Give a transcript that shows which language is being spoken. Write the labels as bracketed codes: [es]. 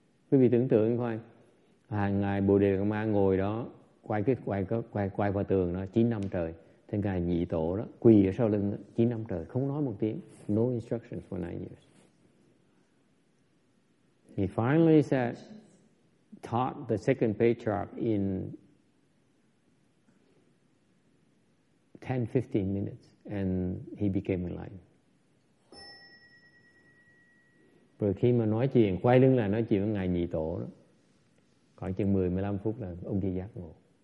[vi] Quý vị tưởng tượng coi, hàng ngày Bồ Đề Đạt Ma ngồi đó quay qua tường đó 9 năm trời, thế ngài nhị tổ đó quỳ ở sau lưng đó, 9 năm trời không nói một tiếng, [en] no instructions for 9 years. He finally said, taught the second patriarch in 10-15 minutes and he became enlightened. [vi] Rồi khi mà nói chuyện, quay lưng là nói chuyện với Ngài Nhị Tổ đó. Khoảng chừng 10-15 phút là ông kia giác ngộ.